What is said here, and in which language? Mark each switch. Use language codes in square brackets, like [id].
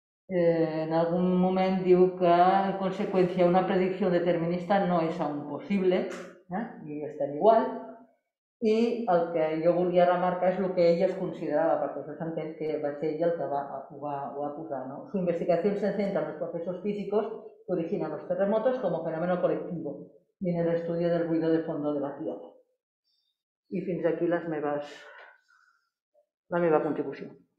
[ca] En algun moment diu que, en conseqüència, una predicció determinista no és impossible, i estem igual. I el que jo volia remarcar és el que ella es considerava, perquè això s'entén que va ser ella el que ho va posar. No? [es] Su investigación se centra en los procesos físicos que originan los terremotos como fenómeno colectivo y en el estudio del ruido de fondo de la Tierra. [ca] I fins aquí la meva contribució.